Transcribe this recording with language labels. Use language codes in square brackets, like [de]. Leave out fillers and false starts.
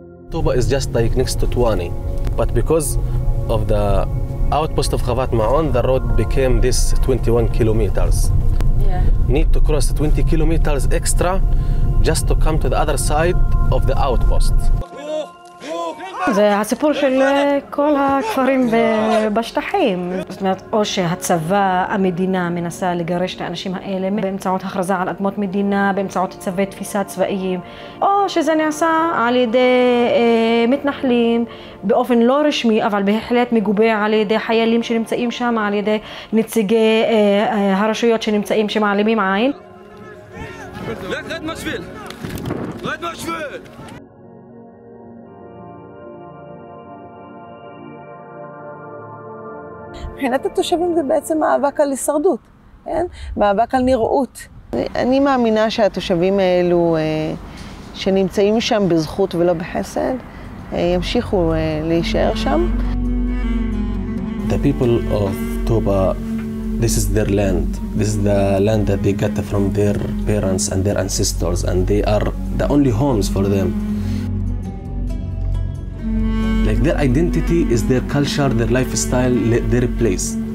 [en] Touba is just like next to Tuani, but because of the outpost of Khawat Ma'on, the road became this 21 kilometers. Yeah. Need to cross 20 kilometers extra just to come to the other side of the outpost. [he] זה הסיפור של כל הכפרים בשטחים. זאת אומרת, או שהצבא, המדינה, מנסה לגרש את האנשים האלה באמצעות הכרזה על אדמות מדינה, באמצעות צווי תפיסה צבאיים, או שזה נעשה על ידי מתנחלים באופן לא רשמי, אבל בהחלט מגובה על ידי חיילים שנמצאים שם, על ידי נציגי הרשויות שנמצאים שמעלימים עין. לגד משביל! לגד משביל! מבחינת התושבים זה בעצם מאבק על הישרדות, כן? מאבק על נראות. אני מאמינה שהתושבים האלו שנמצאים שם בזכות ולא בחסד ימשיכו להישאר שם. [en] The people of Touba, this is their land. This is the land that they got from their parents and their ancestors, and they are the only homes for them. Like their identity is their culture, their lifestyle, their place.